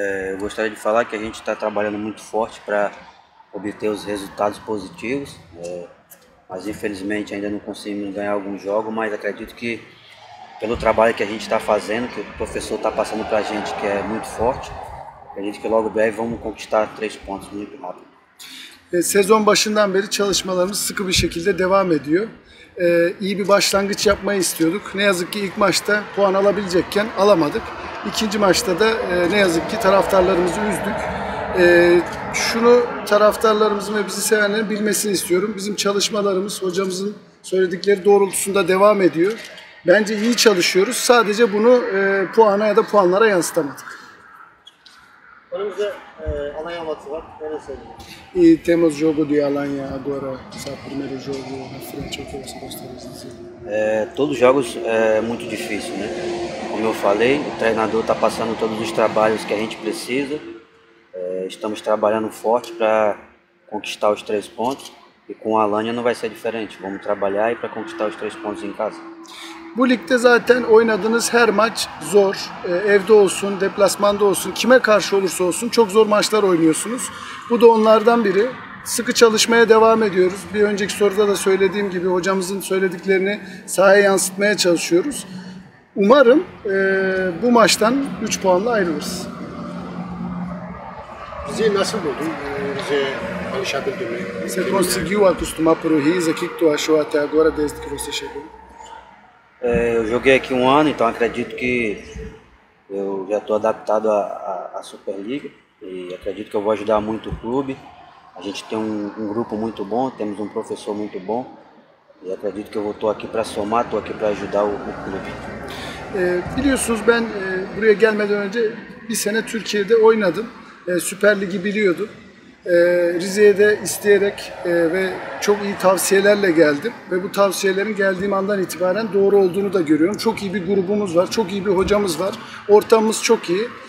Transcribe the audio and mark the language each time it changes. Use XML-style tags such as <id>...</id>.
<pt>Eu gostaria de falar que a gente está trabalhando muito forte para obter os resultados positivos, mas infelizmente ainda não conseguimos ganhar algum jogo, mas acredito que pelo trabalho que a gente está fazendo, que o professor está passando para a gente, que é muito forte, acredito que logo breve vamos conquistar 3 pontos muito rápido.</pt> <tr>Sezon başından beri çalışmalarımız sıkı bir şekilde devam ediyor. İyi bir başlangıç yapmayı istiyorduk. Ne yazık ki ilk maçta puan alabilecekken alamadık. İkinci maçta da ne yazık ki taraftarlarımızı üzdük. Şunu taraftarlarımızın ve bizi sevenlerin bilmesini istiyorum. Bizim çalışmalarımız hocamızın söyledikleri doğrultusunda devam ediyor. Bence iyi çalışıyoruz. Sadece bunu puana ya da puanlara yansıtamadık.</tr> <pt>E temos jogo de Alanya agora, só o primeiro jogo na frente, o que você gostaria de dizer? Todos os jogos é muito difícil, né? Como eu falei, o treinador está passando todos os trabalhos que a gente precisa. Estamos trabalhando forte para conquistar os 3 pontos. E com a Alanya não vai ser diferente. Vamos trabalhar e para conquistar os 3 pontos em casa.</pt> <tr>Bu ligde zaten oynadığınız her maç zor. Evde olsun, deplasmanda olsun, kime karşı olursa olsun çok zor maçlar oynuyorsunuz. Bu da onlardan biri. Sıkı çalışmaya devam ediyoruz. Bir önceki soruda da söylediğim gibi hocamızın söylediklerini sahaya yansıtmaya çalışıyoruz. Umarım bu maçtan 3 puanla ayrılırız. Bizi nasıl buldun? Bizi alışabildin mi?</tr> <pt>Você conseguiu acostumar para o Riza? O que tu achou até agora desde que você chegou? Eu joguei aqui 1 ano, então acredito que eu já estou adaptado à Superliga e acredito que eu vou ajudar muito o clube. A gente tem um grupo muito bom, temos um professor muito bom e acredito que eu estou aqui para somar, estou aqui para ajudar o clube.</pt> <tr>Biliyorsunuz ben buraya gelmeden önce bir sene Türkiye'de oynadım. Süper Ligi biliyordum. Rize'ye de isteyerek ve çok iyi tavsiyelerle geldim. Ve bu tavsiyelerin geldiğim andan itibaren doğru olduğunu da görüyorum. Çok iyi bir grubumuz var, çok iyi bir hocamız var. Ortamımız çok iyi.</tr>